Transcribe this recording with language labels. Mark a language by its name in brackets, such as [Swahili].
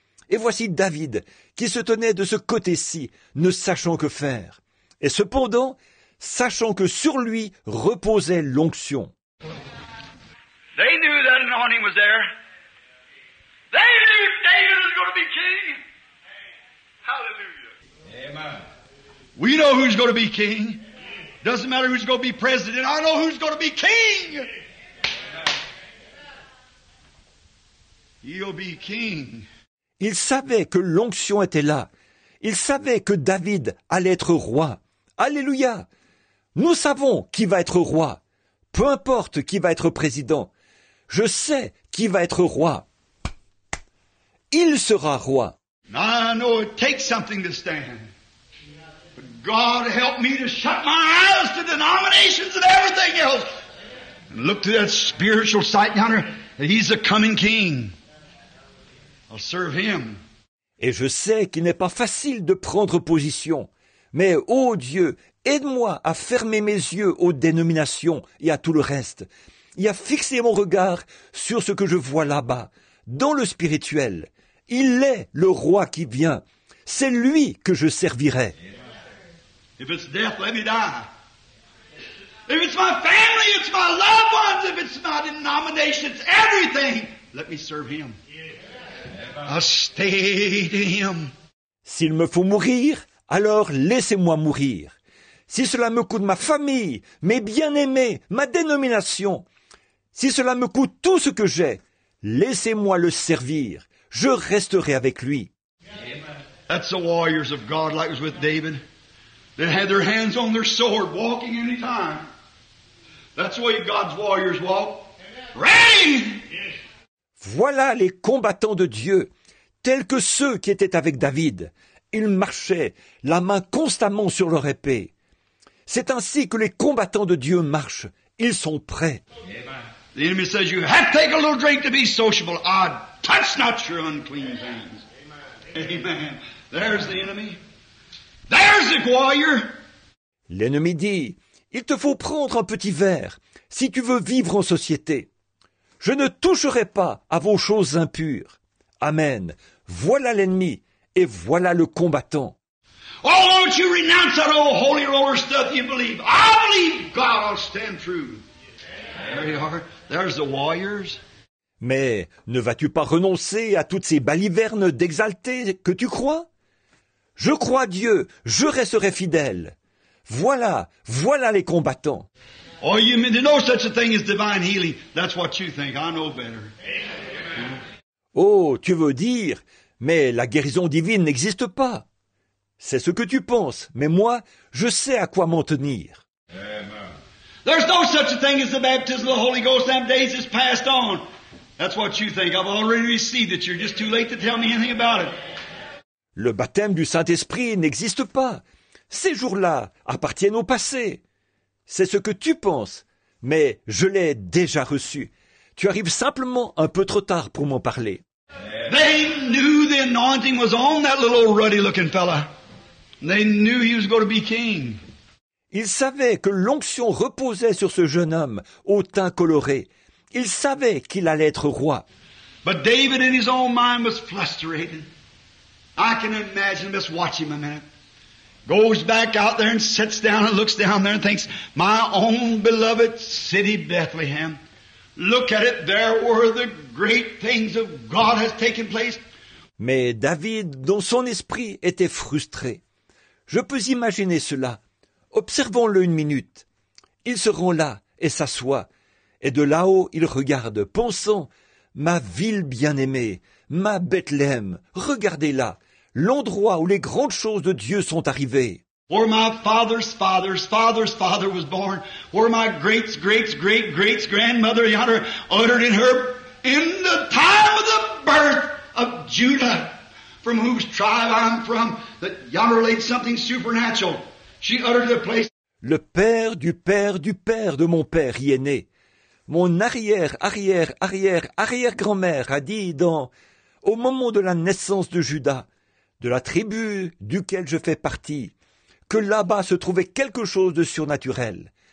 [French] Et voici David, qui se tenait de ce côté-ci, ne sachant que faire. Et cependant, sachant que sur lui reposait l'onction. [English] They knew that anointing was there. They knew David was going to be king. Hallelujah. Amen. We know who's going to be king. Doesn't matter who's going to be president. I know who's going to be king. He'll be king. [French] Il savait que l'onction était là. Il savait que David allait être roi. Alléluia. Nous savons qui va être roi. Peu importe qui va être président. Je sais qui va être roi. Il sera roi. [English] I know it takes something to stand. God help me to shut my eyes to denominations and everything else. And look to that spiritual sight, yonder, that he's the coming king. I'll serve him. [French] Et je sais qu'il n'est pas facile de prendre position. Mais, ô Dieu, aide-moi à fermer mes yeux aux dénominations et à tout le reste, et à fixer mon regard sur ce que je vois là-bas, dans le spirituel. Il est le roi qui vient. C'est lui que je servirai. [English] If it's death, let me die. If it's my family, it's my loved ones, if it's my denomination, it's everything, let me serve him. I'll stay to him. [French] S'il me faut mourir, alors laissez-moi mourir. Si cela me coûte ma famille, mes bien-aimés, ma dénomination, si cela me coûte tout ce que j'ai, laissez-moi le servir. Je resterai avec lui. [English] That's the warriors of God like it was with David. They had their hands on their sword, walking any time. That's the way God's warriors walk. Ready! Yes. [French] Voilà les combattants de Dieu, tels que ceux qui étaient avec David. Ils marchaient, la main constamment sur leur épée. C'est ainsi que les combattants de Dieu marchent. Ils sont prêts. Amen. [English] The enemy says, you have to take a little drink to be sociable. Ah, touch not your unclean hands. Amen. Amen. There's the enemy. There's the choir. [French] L'ennemi dit, il te faut prendre un petit verre si tu veux vivre en société. Je ne toucherai pas à vos choses impures. Amen. Voilà l'ennemi et voilà le combattant. [English] Oh, won't you renounce that old holy roller stuff you believe? I believe God will stand true. There you are. There's the warriors. [French] Mais ne vas-tu pas renoncer à toutes ces balivernes d'exalter que tu crois? Je crois Dieu, je resterai fidèle. Voilà, voilà les combattants. [English] Oh, you mean there's no such a thing as divine healing? That's what you think. I know better. Amen. [French] Oh, tu veux dire, mais la guérison divine n'existe pas. C'est ce que tu penses, mais moi, je sais à quoi m'en tenir. Amen. [English] There's no such a thing as the baptism of the Holy Ghost. Them days is passed on. That's what you think. I've already received it. You're just too late to tell me anything about it. [French] Le baptême du Saint-Esprit n'existe pas. Ces jours-là appartiennent au passé. C'est ce que tu penses, mais je l'ai déjà reçu. Tu arrives simplement un peu trop tard pour m'en parler. [English] They knew the anointing was on that little ruddy-looking fella. They knew he was going to be king. [French] Ils savaient que l'onction reposait sur ce jeune homme au teint coloré. Ils savaient qu'il allait être roi. [English] But David in his own mind was frustrated. I can imagine, just watch him a minute. goes back out there and sits down and looks down there and thinks, my own beloved city, Bethlehem, look at it, there were the great things of God has taken place. [French] Mais David, dans son esprit, était frustré. Je peux imaginer cela. Observons-le une minute. Il se rend là et s'assoit. Et de là-haut, il regarde, pensant, « Ma ville bien-aimée, ma Bethléem, regardez-la, l'endroit où les grandes choses de Dieu sont arrivées. » [English] Where my father's father's father's father was born, where my great's great's great great's grandmother yonder uttered in her in the time of the birth of Judah, from whose tribe I'm from, that yonder laid something supernatural. She uttered the place. [French] Le père du père du père de mon père y est né. Mon arrière arrière arrière arrière grand-mère a dit dans au moment de la naissance de Judas, de la tribu duquel je fais partie, que là-bas se trouvait quelque chose de surnaturel.